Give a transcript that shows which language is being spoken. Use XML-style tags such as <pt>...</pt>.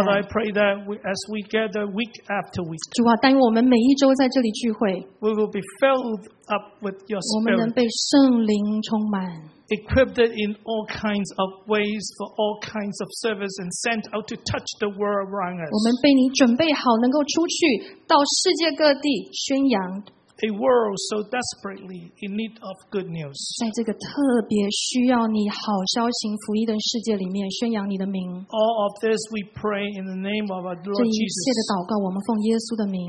<en>Father, I pray that as we gather week after week.</en> <zh>主啊，但愿我们每一周在这里聚会。</zh> <en>We will be filled up with your spirit.</en> <zh>我们能被圣灵充满。</zh> <en>Equipped in all kinds of ways for all kinds of service and sent out to touch the world around us.</en> <zh>我们被你准备好，能够出去到世界各地宣扬。</zh> <en>A world so desperately in need of good news.</en> <zh>在这个特别需要你好消息福音的世界里面宣扬你的名。</zh> <en>All of this we pray in the name of our Lord Jesus.</en> <zh>这一切的祷告，我们奉耶稣的名。</zh>